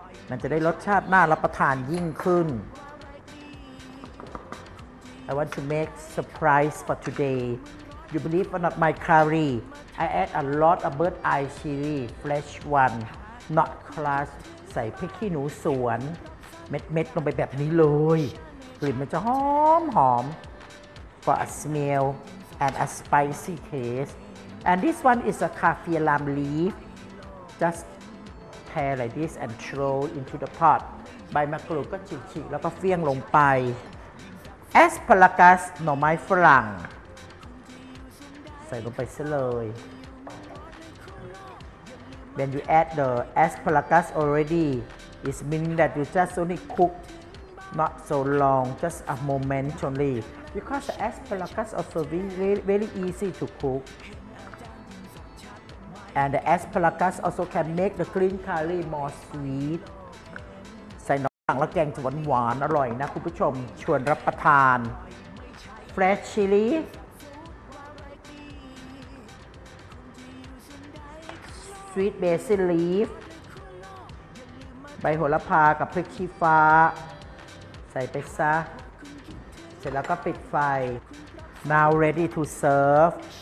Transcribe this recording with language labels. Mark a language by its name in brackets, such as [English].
[Thai] มันจะได้รสชาติน่ารับประทานยิ่งขึ้น [English] I want to make surprise for todayYou believe or not my curry, I add a lot of bird eye chili, fresh one, not crushed. [Thai] ใส่พริกขี้หนูสวนเม็ดๆลงไปแบบนี้เลยกลิ่นมันจะหอมหอม [English] for a smell and a spicy taste. And this one is a kaffir lam leaf. Just tear like this and throw into the pot. [Thai] ใบมะกรูดก็ฉีกๆแล้วก็เฟี้ยงลงไป Asparagus หน่อไม้ฝรั่งใส่ลงไปซะเลย [English] when you add the asparagus already, it's meaning that you just only cooked not so long, just a moment only. Because the asparagus also very easy to cook. And the asparagus also can make the green curry more sweet. [Thai] ใส่น้ำตาลและแกงจะหวานๆอร่อยนะคุณผู้ชมชวนรับประทาน [English] Fresh chili Sweet basil leaf [Thai] ใบโหระพากับพริกชี้ฟ้าใส่ไปซะเสร็จแล้วก็ปิดไฟ [English] Now ready to serve